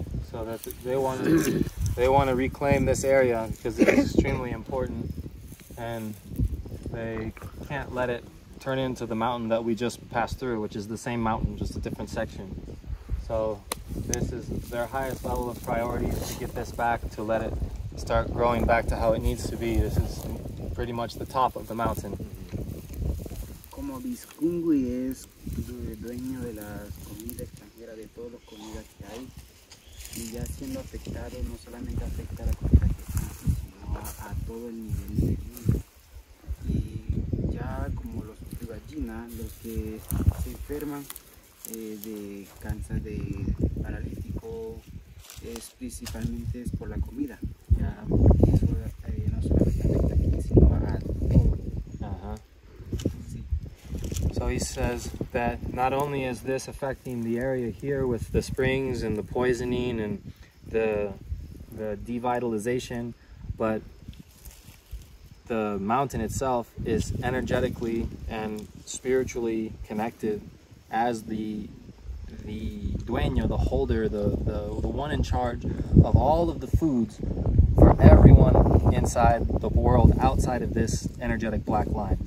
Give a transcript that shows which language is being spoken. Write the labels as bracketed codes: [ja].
[en] So that they want to reclaim this area because it's extremely important, and they can't let it turn into the mountain that we just passed through, which is the same mountain, just a different section. So this is their highest level of priority, to get this back, to let it start growing back to how it needs to be. This is pretty much the top of the mountain. [es] Como Bisikungwi es dueño de la comida extranjera, de todos los comidas que hay, y ya siendo afectado, no solamente afecta a la comida que existe, sino a todo el nivel de vida. Y ya como los gallinas, los que se enferman de cáncer, de paralítico, es principalmente es por la comida. Ya eso no solamente afecta aquí, sino a todo. Ajá. [en] So he says that not only is this affecting the area here with the springs and the poisoning and the devitalization, but the mountain itself is energetically and spiritually connected as the dueño, the holder, the one in charge of all of the foods for everyone inside the world outside of this energetic black line.